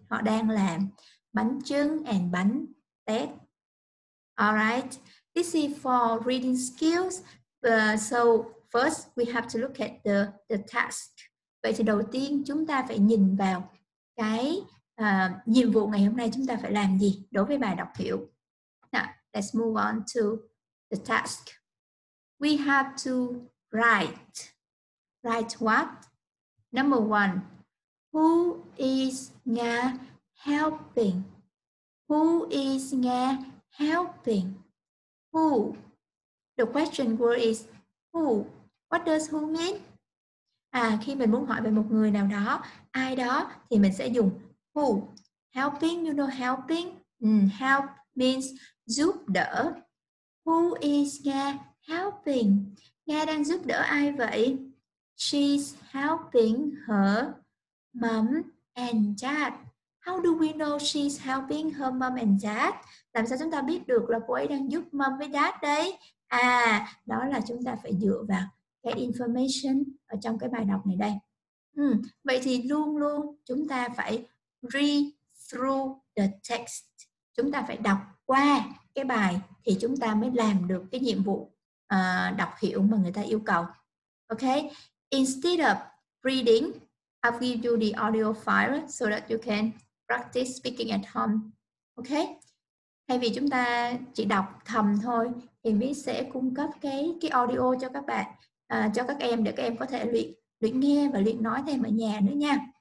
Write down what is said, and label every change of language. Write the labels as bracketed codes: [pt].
[vi] Họ đang làm bánh trưng and bánh tét. [en] All right. This is for reading skills. So first we have to look at the task. [vi] Vậy thì đầu tiên chúng ta phải nhìn vào cái nhiệm vụ ngày hôm nay chúng ta phải làm gì đối với bài đọc hiểu. [en] Now, let's move on to the task. We have to write. Write what? Number one, who is Nga helping? Who is Nga helping? Who? The question word is who? What does who mean? [vi] Khi mình muốn hỏi về một người nào đó, ai đó, thì mình sẽ dùng who. [en] Helping, you know helping? Help means [vi] giúp đỡ. [en] Who is Nga helping? [vi] Nga đang giúp đỡ ai vậy? [en] She's helping her mom and dad. How do we know she's helping her mom and dad? [vi] Làm sao chúng ta biết được là cô ấy đang giúp mom với dad đấy? Đó là chúng ta phải dựa vào cái information ở trong cái bài đọc này đây. Vậy thì luôn luôn chúng ta phải [en] read through the text. [vi] Chúng ta phải đọc qua cái bài thì chúng ta mới làm được cái nhiệm vụ đọc hiểu mà người ta yêu cầu. [en] Ok? Instead of reading, I'll give you the audio file so that you can practice speaking at home. Okay? [vi] Thay vì chúng ta chỉ đọc thầm thôi, thì mình sẽ cung cấp cái audio cho các bạn, cho các em để các em có thể luyện nghe và luyện nói thêm ở nhà nữa nha.